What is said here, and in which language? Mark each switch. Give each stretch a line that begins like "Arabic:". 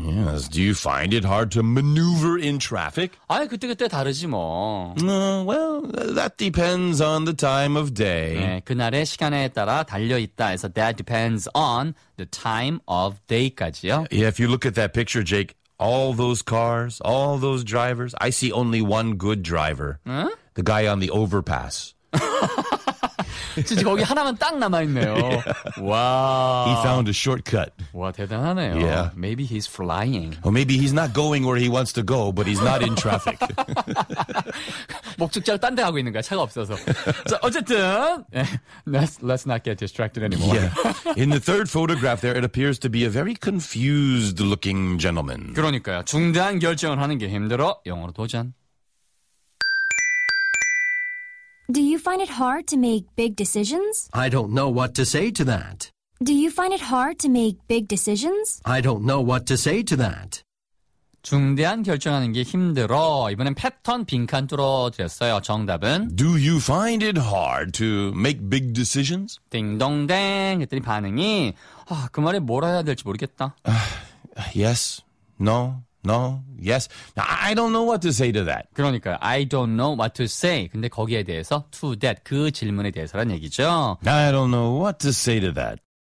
English: Yes, do you find it hard to maneuver in traffic?
Korean: 아, 그때그때 다르지 뭐.
English: Well, that depends on the time of day.
Korean: 네, 그날의 시간에 따라 달려있다 해서
English: that depends on the time of day
Korean: 까지요.
English: Yeah, if you look at that picture, Jake, all those cars, all those drivers, I see only one good driver.
Korean: 응?
English: The guy on the overpass.
Korean: 진짜 거기 하나만 딱 남아있네요.
English: Yeah. Wow. He found a shortcut.
Korean: 와, 대단하네요.
English: Yeah. Maybe he's flying. Or maybe he's not going where he wants to go, but he's not in traffic.
Korean: 목적지로 딴 데 가고 있는 거야, 차가 없어서. 자, 어쨌든,
English: let's not get distracted anymore. Yeah. In the third photograph there, it appears to be a very confused-looking gentleman.
Korean: 그러니까요. 중대한 결정을 하는 게 힘들어. 영어로 도전.
English: Do you find it hard to make big decisions? I don't know what to say to that. Do you find it hard to make big decisions? I don't know what to say to that.
Korean: 중대한 결정하는 게 힘들어. 이번엔 패턴 빈칸 뚫어드렸어요. 정답은?
English: Do you find it hard to make big decisions?
Korean: 딩동댕 했더니 반응이 아, 그 말에 뭘 해야 될지 모르겠다.
English: Yes, no. No, yes. Now, I don't know what to say to that.
Korean: 그러니까
English: I don't know what to say.
Korean: 근데 거기에 대해서
English: to that,
Korean: 그 질문에 대해서란 얘기죠.
English: I don't know what to say to that.